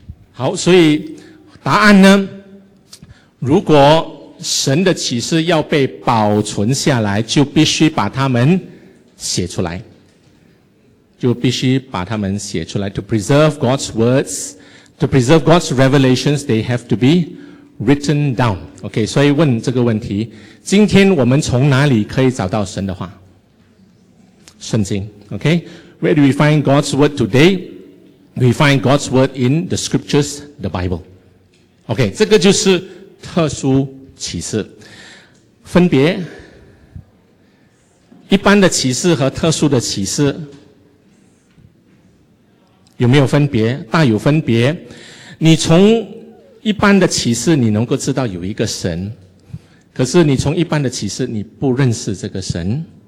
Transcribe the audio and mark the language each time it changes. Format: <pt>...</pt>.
<zh>好，所以答案呢，如果神的启示要被保存下来，就必须把它们写出来，就必须把它们写出来。</zh> <en>To preserve God's words, to preserve God's revelations, they have to be written down.</en> <zh>OK, 所以问这个问题，今天我们从哪里可以找到神的话？圣经。</zh> <en>OK, Where do we find God's word today? We find God's word in the scriptures, the Bible.</en> <zh>OK, 这个就是特殊启示。分别一般的启示和特殊的启示有没有分别？大有分别。你从一般的启示你能够知道有一个神，可是你从一般的启示你不认识这个神。</zh>